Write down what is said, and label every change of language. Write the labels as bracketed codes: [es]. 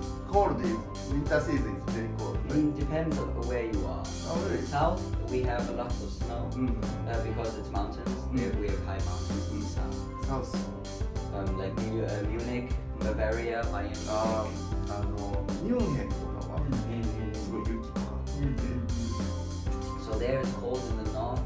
[ja] コールでウィンターシーズンってコール。 [en] It depends on where you are. South, we have a lot of snow. Because it's mountains. We have high mountains in South. South. Like Munich, Bavaria, Bayern. [ja] ミュンヘンとかは、すごい雪とか。 [en] So there is cold in the north.